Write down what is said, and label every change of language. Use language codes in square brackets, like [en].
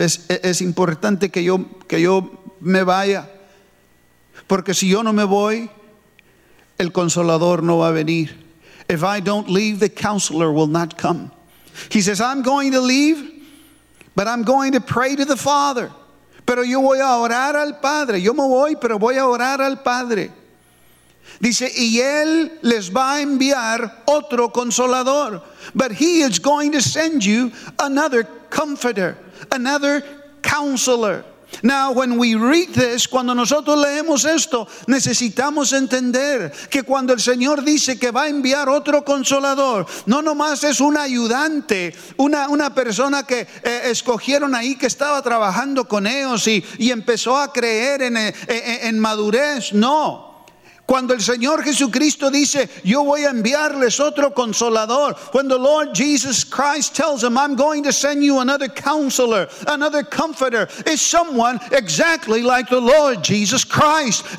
[es] Es importante que yo me vaya. Porque si yo no me voy, el Consolador no va a venir. [en] If I don't leave, the Counselor will not come. He says, I'm going to leave, but I'm going to pray to the Father. [es] Pero yo voy a orar al Padre. Yo me voy, pero voy a orar al Padre. Dice, y Él les va a enviar otro Consolador. [en] But He is going to send you another Comforter, another Counselor. Now, when we read this, [es] cuando nosotros leemos esto, necesitamos entender que cuando el Señor dice que va a enviar otro Consolador, no nomás es un ayudante, una persona que escogieron ahí que estaba trabajando con ellos y empezó a creer en madurez, no. Cuando el Señor Jesucristo dice, yo voy a enviarles otro Consolador. [en] When the Lord Jesus Christ tells him, I'm going to send you another Counselor, another Comforter. It's someone exactly like the Lord Jesus Christ.